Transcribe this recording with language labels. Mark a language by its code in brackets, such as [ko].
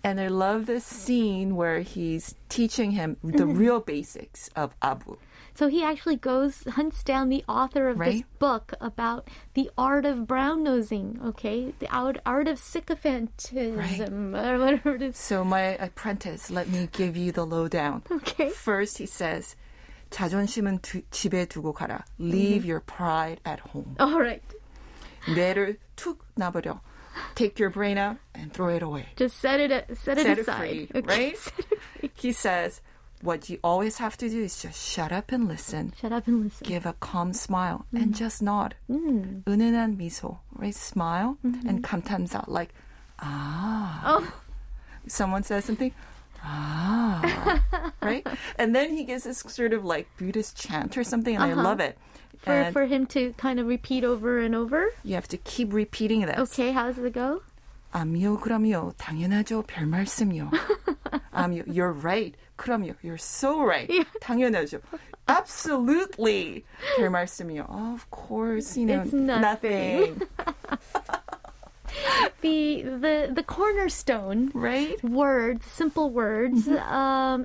[en] And I love this scene where he's teaching him the real basics of Abu. So he actually hunts down the author of this book about the art of brown nosing, okay? The art of sycophantism, or whatever it is. So my apprentice, let me give you the lowdown. Okay. First he says, [ko] 자존심은 집에 두고 가라. [en] Leave your pride at home. All right. [ko] 뇌를 툭 놔버려. [en] Take your brain out and throw it away. Just set it aside. Set it free, right? Set it free. He says, what you always have to do is just shut up and listen. Shut up and listen. Give a calm smile and just nod. Mm. [ko] 은은한 미소, right? [en] Smile and 감탄사, like, ah. Oh. Someone says something, ah. Right? And then he gives this sort of like Buddhist chant or something, and I love it. For him to kind of repeat over and over? You have to keep repeating this. Okay, how does it go? [ko] 아미요, 그럼요, 당연하죠, 별 말씀요. 아미요, [en] you're right, [ko] 그럼요, [en] you're so right, [ko] 당연하죠. [en] Absolutely, [ko] 별 말씀요. [en] Of course, you know, it's nothing. the cornerstone, right? Words, simple words, mm-hmm.